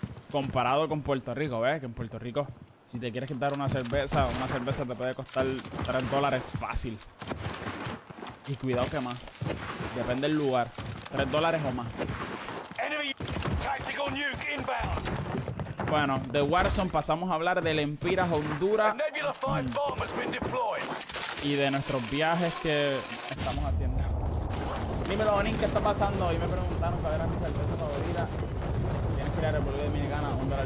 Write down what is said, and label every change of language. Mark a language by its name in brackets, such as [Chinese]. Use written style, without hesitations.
[Spanish] Comparado con Puerto Rico, ¿ves? Que en Puerto Rico, si te quieres quitar una cerveza te puede costar $3 fácil. Y cuidado que más. Depende del lugar. $3 o más. [English] Enemy tactical nuke inbound. [Spanish] Bueno, de Warzone pasamos a hablar del Empiras Honduras. [English] A Nebula 5 bomb has been deployed. [Spanish] Y de nuestros viajes que estamos haciendo. Dímelo, Onin, ¿qué está pasando? Y me preguntaron cuál era mi cerveza favorita. Tienes que ir a República Dominicana, $1.54.